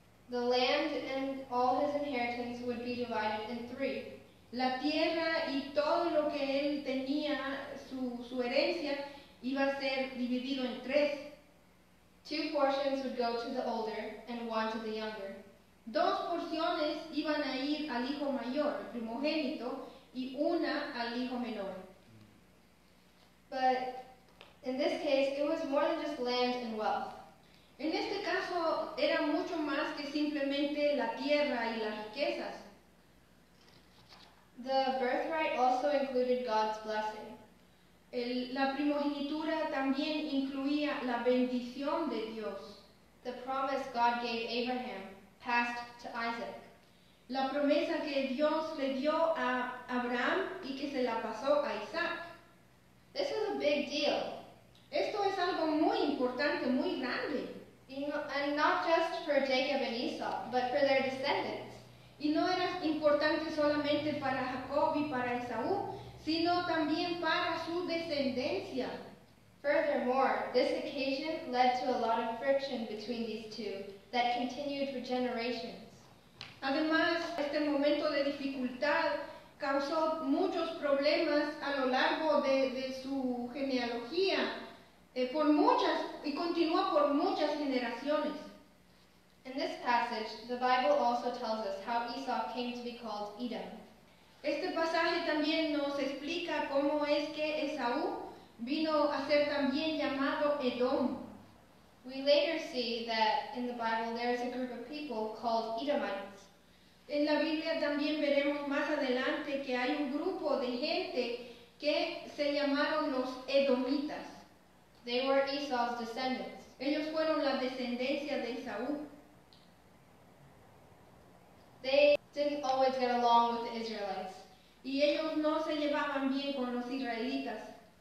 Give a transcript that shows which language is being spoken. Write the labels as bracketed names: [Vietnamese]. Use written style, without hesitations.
[English] The land and all his inheritance would be divided in three. [Spanish] La tierra y todo lo que él tenía, su herencia, iba a ser dividido en tres. [English] Two portions would go to the older and one to the younger. [Spanish] Dos porciones iban a ir al hijo mayor, primogénito, y una al hijo menor. [English] But in this case, it was more than just land and wealth. [Spanish] En este caso, era mucho más que simplemente la tierra y las riquezas. [English] The birthright also included God's blessing. [Spanish] La primogenitura también incluía la bendición de Dios. [English] The promise God gave Abraham passed to Isaac. [Spanish] La promesa que Dios le dio a Abraham y que se la pasó a Isaac. [English] This is a big deal. [Spanish] Esto es algo muy importante, muy grande. [English] And not just for Jacob and Esau, but for their descendants. [Spanish] Y no era importante solamente para Jacob y para Esaú, sino también para su descendencia. [English] Furthermore, this occasion led to a lot of friction between these two that continued for generations. [Spanish] Además, este momento de dificultad causó muchos problemas a lo largo de su genealogía y continuó por muchas generaciones. [English] In this passage, the Bible also tells us how Esau came to be called Edom. [Spanish] Este pasaje también nos explica cómo es que Esaú vino a ser también llamado Edom. [English] We later see that in the Bible there is a group of people called Edomites. [Spanish] En la Biblia también veremos más adelante que hay un grupo de gente que se llamaron los Edomitas. [English] They were Esau's descendants. [Spanish] Ellos fueron la descendencia de Esaú. [English] They didn't always get along with the Israelites. [Spanish] Y ellos no se llevaban bien con los israelitas.